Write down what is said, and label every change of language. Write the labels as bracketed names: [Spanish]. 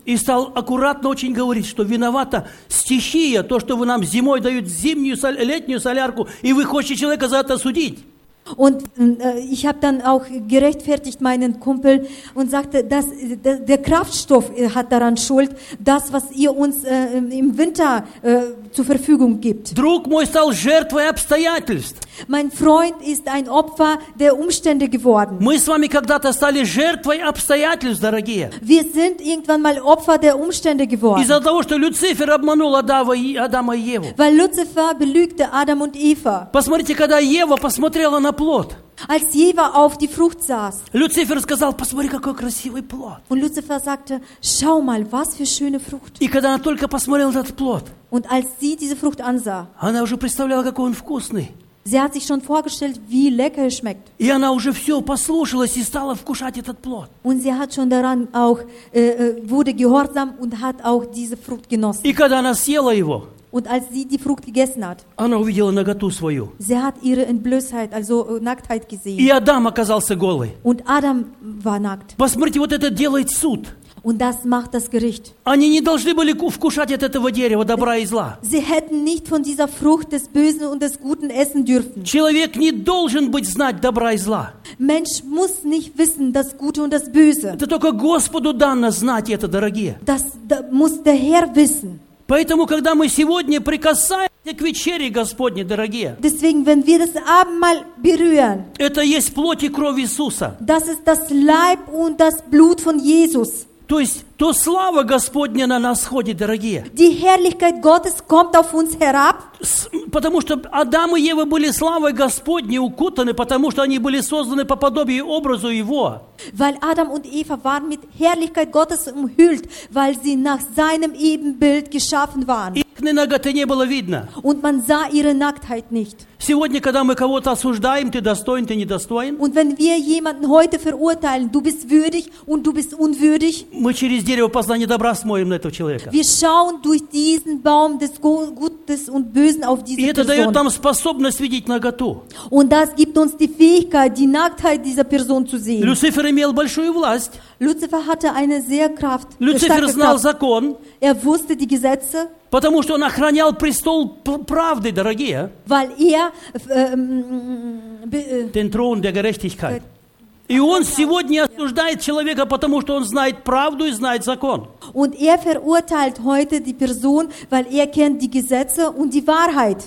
[Russian] И стал аккуратно очень говорить, что виновата стихия, то, что вы нам зимой дают зимнюю, летнюю солярку, и вы хотите человека за это судить. [German] Und ich habe dann auch gerechtfertigt meinen Kumpel und sagte, dass der Kraftstoff hat daran Schuld, das, was ihr uns im Winter zur Verfügung gibt. [Russian] Друг мой стал жертвой обстоятельств. [German] Mein Freund ist ein Opfer der Umstände geworden. [Russian] Мы с вами когда-то стали жертвой обстоятельств, дорогие. [German] Wir sind irgendwann mal Opfer der Umstände geworden. [Russian] Из-за того, что Люцифер обманул Адама и Еву. [German] Weil Lucifer belügte Adam und Eva. [Russian] Посмотрите, когда Ева посмотрела на плод. [German] Als Eva auf die Frucht saß. [Russian] Люцифер сказал: "Посмотри, какой красивый плод". [German] Und Lucifer sagte: "Schau mal, was für schöne Frucht". [Russian] И когда она только посмотрела этот плод. [German] Und als sie diese Frucht ansah. [Russian] Она уже представляла, какой он вкусный. [German] Sie hat sich schon vorgestellt, wie lecker es schmeckt. [Russian] И она уже все послушалась и стала вкушать этот плод. [German] Und sie hat schon daran auch wurde gehorsam und hat auch diese Frucht genossen. [Russian] И когда она съела его. [German] Und als sie die Frucht gegessen hat, [Russian] она увидела наготу свою. [German] Sie hat ihre Entblößheit, also Nacktheit gesehen. [Russian] И Адам оказался голый. [German] Und Adam war nackt. [Russian] Посмотрите, вот это делает суд. [German] Und das macht das Gericht. [Russian] Они не должны были вкушать от этого дерева добра и зла. [German] Sie hätten nicht von dieser Frucht des Bösen und des Guten essen dürfen. [Russian] Человек не должен быть знать добра и зла. [German] Mensch muss nicht wissen das Gute und das Böse. [Russian] Это только Господу дано знать это, дорогие. [German] Das muss der Herr wissen. [Russian] Поэтому, когда мы сегодня прикасаемся к вечере Господне, дорогие, [German] deswegen, wenn wir das Abendmahl berühren, [Russian] это есть плоть и кровь Иисуса. [German] Das ist das Leib und das Blut von Jesus. [Russian] То есть, то слава Господня на нас сходит, дорогие. [German] Die Herrlichkeit Gottes kommt auf uns herab. [Russian] Потому что Адам и Ева были славой Господней укутаны, потому что они были созданы по подобию и образу Его. [German] Weil Adam und Eva waren mit Herrlichkeit Gottes umhüllt, weil sie nach seinem Ebenbild geschaffen waren. [Russian] Их наготы не было видно. [German] Und man sah ihre Nacktheit nicht. [Russian] Сегодня, когда мы кого-то осуждаем, ты достоин, ты недостоин. [German] Und wenn wir jemanden heute verurteilen, du bist würdig und du bist unwürdig. [Russian] Мы через дерево познания добра смотрим на этого человека. [German] Wir schauen durch diesen Baum des Gutes und Bösen auf diese Person. [Russian] И это дает нам способность видеть наготу. [German] Und das gibt uns die Fähigkeit, die Nacktheit dieser Person zu sehen. [Russian] Люцифер имел большую власть. [German] Люцифер hatte eine sehr Kraft. [Russian] Люцифер знал закон. [German] Er wusste die Gesetze. [Russian] Потому что он охранял престол правды, дорогие. [German] Weil er, den Thron der Gerechtigkeit. [Russian] И он сегодня осуждает человека, потому что он знает правду и знает закон. [German] Und er verurteilt heute die Person, weil er kennt die Gesetze und die Wahrheit.